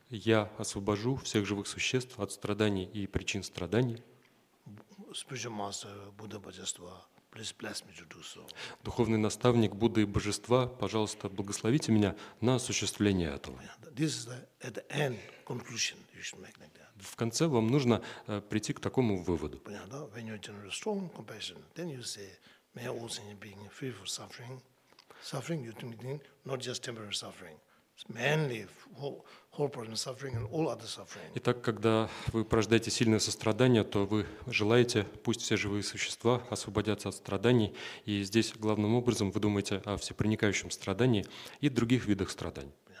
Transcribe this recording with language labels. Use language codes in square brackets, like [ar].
[ru] Я освобожу всех живых существ от страданий и причин страданий. [en] Spiritual master, Buddha, Божество, please bless me to do so. [ru] Духовный наставник Будды и Божества, пожалуйста, благословите меня на осуществление этого. [en] This is at the end conclusion you should make like that. [ru] В конце вам нужно прийти к такому выводу. Понятно? [en] When you generate strong compassion, then you say, may all sentient beings free from suffering. Suffering, you mean not just temporary suffering, it's mainly whole person suffering and all other suffering. [ru] Итак, когда вы порождаете сильное сострадание, то вы желаете, пусть все живые существа освободятся от страданий, и здесь главным образом вы думаете о всепроникающем страдании и других видах страданий.